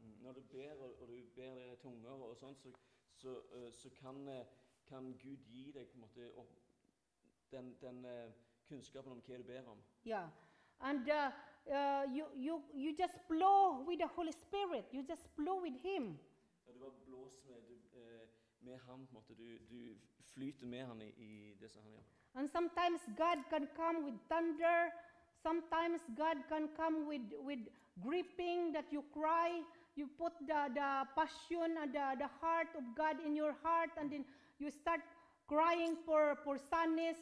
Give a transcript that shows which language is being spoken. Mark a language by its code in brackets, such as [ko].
[sv] När du ber och du ber i tungor och sånt, så kan Gud ge dig den kunskapen om vad du ber om. Ja. Yeah. [en] And you just blow with the Holy Spirit. You just blow with him. [sv] Du bara blåser med han, du flyter med han i det som han gör. [en] And sometimes God can come with thunder. Sometimes God can come with gripping that you cry. You put the passion and the heart of God in your heart, and then you start crying for sadness.